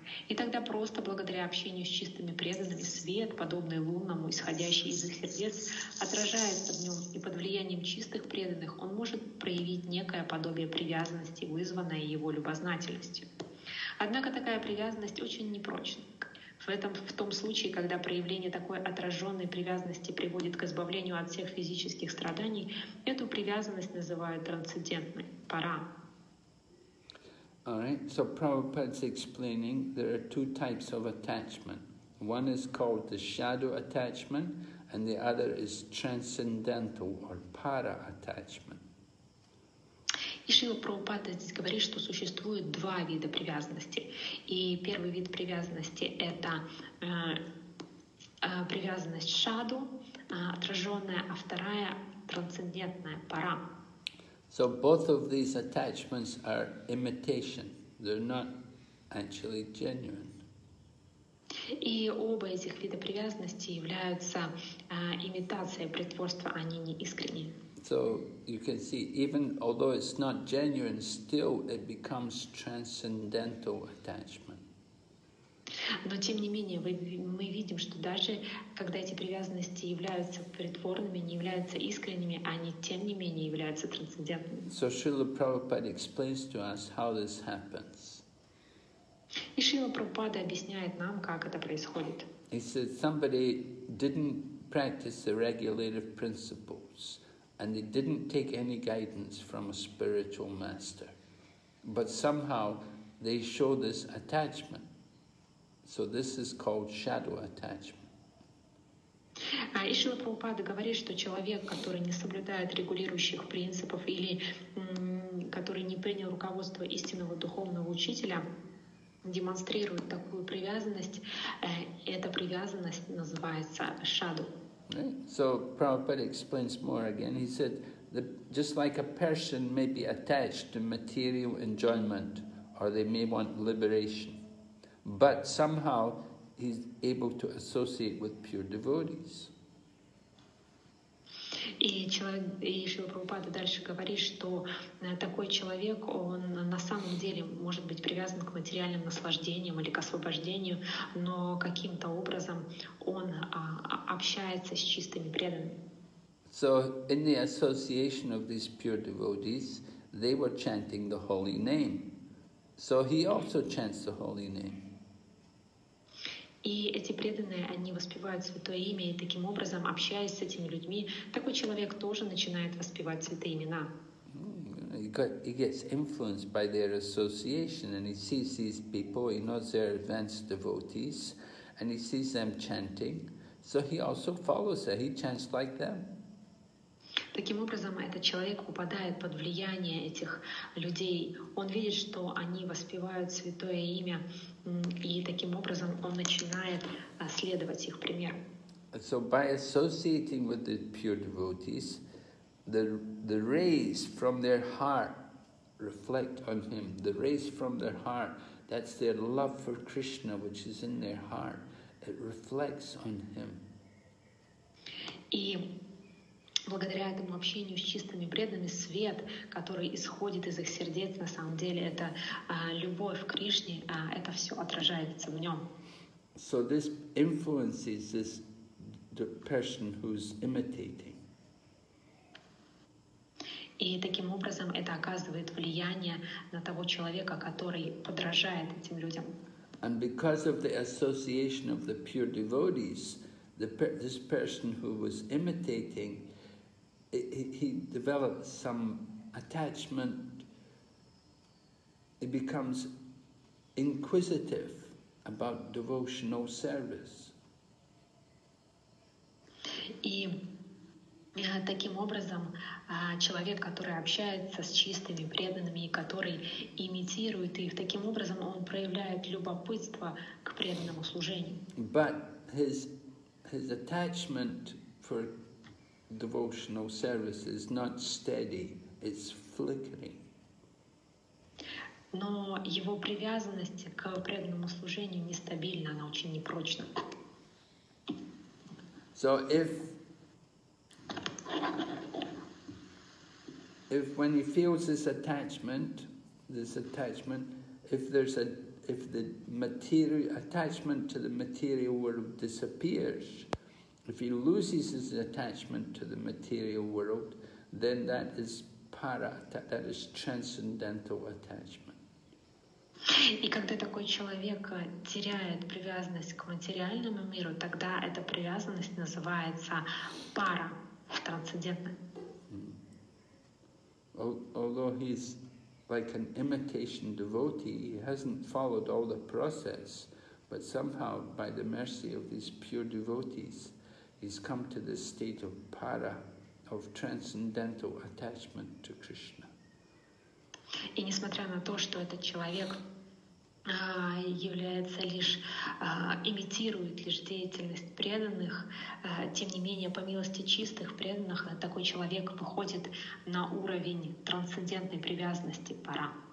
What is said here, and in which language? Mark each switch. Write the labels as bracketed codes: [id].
[ru] И тогда просто благодаря общению с чистыми преданными, свет, подобный лунному, исходящий из их сердец, отражается в нем, и под влиянием чистых преданных он может проявить некое подобие привязанности, вызванное его любознательностью. Однако такая привязанность очень непрочна. В том случае, когда проявление такой отраженной привязанности приводит к избавлению от всех физических страданий, эту привязанность называют трансцендентной. Пара. [en] All right. So Prabhupada's explaining there are two types of attachment. One is called the shadow attachment, and the other is transcendental or para attachment. [ru] И Шрила Прабхупада здесь говорит, что существует два вида привязанности. И первый вид привязанности — это привязанность шаду, отраженная, а вторая — трансцендентная пара. [en] So both of these attachments are imitation. They're not actually genuine. [ru] И оба этих вида привязанности являются имитацией притворства, они не искренние. [en] So you can see, even although it's not genuine, still it becomes transcendental attachment. [ru] Но тем не менее мы видим, что даже когда эти привязанности являются притворными, не являются искренними, они тем не менее являются трансцендентными. [en] So Srila Prabhupada explains to us how this happens. [ru] И Шрила Прабхупада объясняет нам, как это происходит. [en] He said somebody didn't practice the regulative principles. And they didn't take any guidance from a spiritual master. But somehow they show this attachment. So this is called shadow attachment. [ru] И Шрила Прабхупада говорит, что человек, который не соблюдает регулирующих принципов или который не принял руководство истинного духовного учителя, демонстрирует такую привязанность, эта привязанность называется shadow. [en] Right? So Prabhupada explains more again. He said, just like a person may be attached to material enjoyment, or they may want liberation, but somehow he's able to associate with pure devotees. [ru] И Шрила Прабхупада дальше говорит, что такой человек, он на самом деле может быть привязан к материальным наслаждениям или к освобождению, но каким-то образом он общается с чистыми преданными. [en] So in the association of these pure devotees, they were chanting the holy name. So he also chants the holy name. [ru] И эти преданные, они воспевают святое имя, и таким образом, общаясь с этими людьми, такой человек тоже начинает воспевать святые имена. [en] He gets influenced by their association, and he sees these people, he knows they're advanced devotees, and he sees them chanting, so he also follows that, he chants like them. [ru] Таким образом, этот человек попадает под влияние этих людей. Он видит, что они воспевают святое имя, и таким образом он начинает следовать их примеру. [en] So by associating with the pure devotees, the rays from their heart reflect on him. The rays from their heart, that's their love for Krishna, which is in their heart. It reflects on him. [ru] Благодаря этому общению с чистыми преданными, свет, который исходит из их сердец, на самом деле, это любовь к Кришне, это все отражается в нем. [en] So this influences this, the person who's imitating. [ru] И таким образом это оказывает влияние на того человека, который подражает этим людям. [en] And because of the association of the pure devotees, this person who was imitating, he develops some attachment, he becomes inquisitive about devotional service. [ru] И таким образом человек, который общается с чистыми преданными, который имитирует их, таким образом он проявляет любопытство к преданному служению. [en] But his attachment for devotional service is not steady, it's flickering. [ru] Но его привязанность к преданному служению нестабильна, она очень непрочна. [en] So if when he feels this attachment, if the attachment to the material world disappears, if he loses his attachment to the material world, then that is para, that is transcendental attachment. [ru] И когда такой человек теряет привязанность к материальному миру, тогда эта привязанность называется пара, трансцендентная. [en] Although he's like an imitation devotee, he hasn't followed all the process, but somehow by the mercy of these pure devotees, he's come to this state of para, of transcendental attachment to Krishna. [ru] И несмотря на то, что этот человек является лишь имитирует лишь деятельность преданных, тем не менее по милости чистых преданных такой человек выходит на уровень трансцендентной привязанности para.